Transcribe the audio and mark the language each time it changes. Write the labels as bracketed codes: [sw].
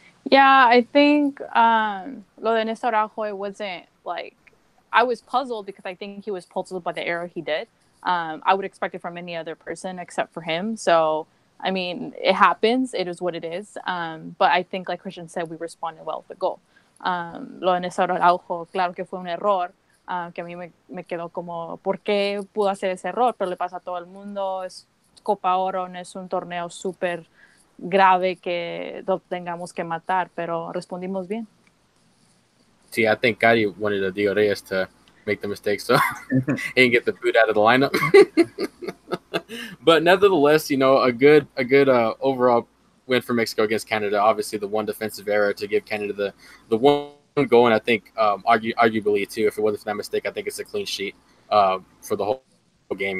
[en] Yeah, I think [es] lo de [en] Néstor Araujo wasn't like, I was puzzled because I think he was puzzled by the error he did. I would expect it from any other person except for him. So I mean, it happens. It is what it is. But I think, like Christian said, we responded well with the goal. [es] Lo de Néstor Araujo, claro que fue un error, que a mí me quedó como, ¿por qué pudo hacer ese error? Pero le pasa a todo el mundo. Es Copa Oro, no es un torneo súper grave que lo tengamos que matar, pero respondimos bien. [en] Sí, I think Gary wanted the Diego Reyes to make the mistake, so he didn't get the boot out of the lineup. But nevertheless, you know, a good overall win for Mexico against Canada. Obviously, the one defensive error to give Canada the one goal, and I think arguably too, if it wasn't for that mistake, I think it's a clean sheet for the whole game.